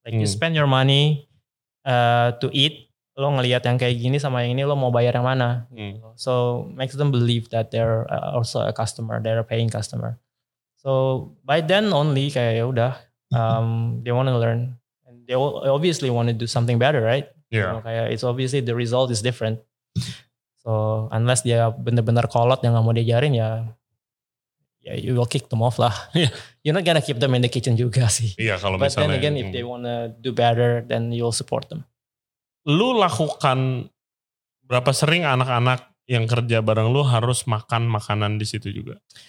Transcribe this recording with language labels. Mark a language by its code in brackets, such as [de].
[en] Like you spend your money. To eat, [id] lo ngelihat yang kayak gini sama yang ini, lo mau bayar yang mana? [en] So makes them believe that they're also a customer, they're a paying customer. So by then only kayak udah, they want to learn and they obviously want to do something better, right? Yeah. So, kayak it's obviously the result is different. [id] So unless dia benar-benar kolot yang nggak mau diajarin ya. [en] Yeah, you will kick them off lah. You're not gonna keep them in the kitchen juga sih. [id] Yeah, kalau [en] but [id] misalnya, [en] then again, if they wanna do better, then you'll support them. [id] Lu lakukan berapa sering anak-anak yang kerja bareng lu harus makan makanan di situ juga?